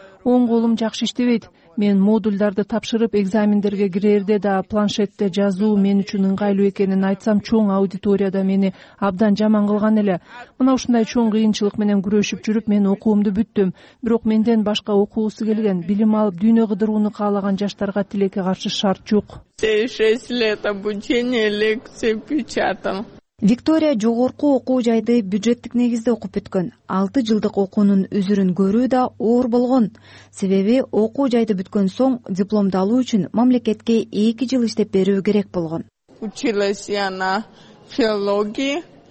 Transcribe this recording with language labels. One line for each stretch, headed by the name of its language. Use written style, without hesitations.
Kyrgyz: Оң колум жакшы иштебейт. Мен модульдарды тапшырып экзамендерге кирерде да планшетте жазуу мен үчүн ыңгайлуу экенин айтсам, чоң аудиторияда мени абдан жаман кылган эле. Мына ушундай чоң кыйынчылык менен күрөшүп жүрүп, мен окуумду бүттүм. Бирок менден башка окуусу келген, билим алып дүйнө кыдырууну каалаган жаштарга тилекке каршы шарт жок.
Russian: 6 лет обучения лекция печатал.
Kyrgyz: Виктория жогорку окуу жайды бюджеттик негизде окуп бүткөн. 6 жылдык окуунун үзүрүн көрүү да оор болгон. Себеби окуу жайды бүткөн соң дипломду алуу үчүн мамлекетке 2 жыл иштеп берүү керек болгон.
Russian: Училась я на филологии.